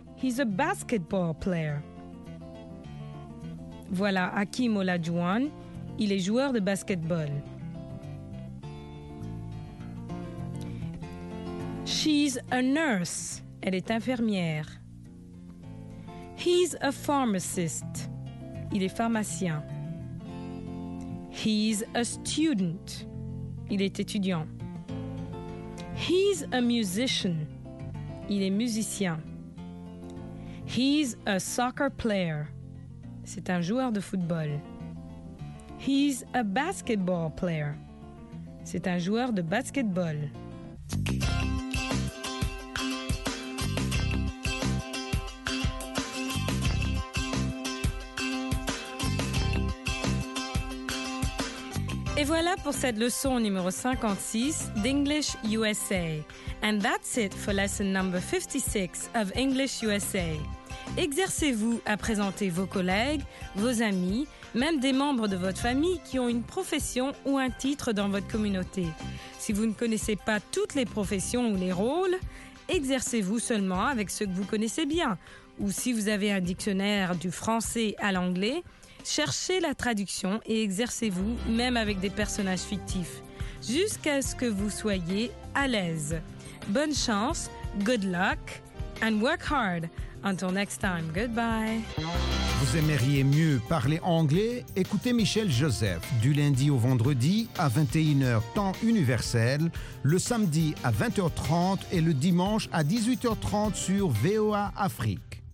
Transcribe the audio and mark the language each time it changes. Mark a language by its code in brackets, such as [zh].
[en] He's a basketball player. [fr] Voilà Hakim Olajuwon. Il est joueur de basketball. [en] She's a nurse. [fr] Elle est infirmière. [en] He's a pharmacist. [fr] Il est pharmacien. [en] He's a student. [fr] Il est étudiant. [en] He's a musician. [fr] Il est musicien. [en] He's a soccer player. [fr] C'est un joueur de football. [en] He's a basketball player. [fr] C'est un joueur de basketball. Et voilà pour cette leçon numéro 56 d'English USA. [en] And that's it for lesson number 56 of English USA. [fr] Exercez-vous à présenter vos collègues, vos amis, même des membres de votre famille qui ont une profession ou un titre dans votre communauté. Si vous ne connaissez pas toutes les professions ou les rôles, exercez-vous seulement avec ceux que vous connaissez bien. Ou si vous avez un dictionnaire du français à l'anglais, cherchez la traduction et exercez-vous, même avec des personnages fictifs, jusqu'à ce que vous soyez à l'aise. Bonne chance, [en] good luck, and work hard. Until next time, goodbye. [fr] Vous aimeriez mieux parler anglais? Écoutez Michel Joseph du lundi au vendredi à 21h temps universel, le samedi à 20h30 et le dimanche à 18h30 sur VOA Afrique.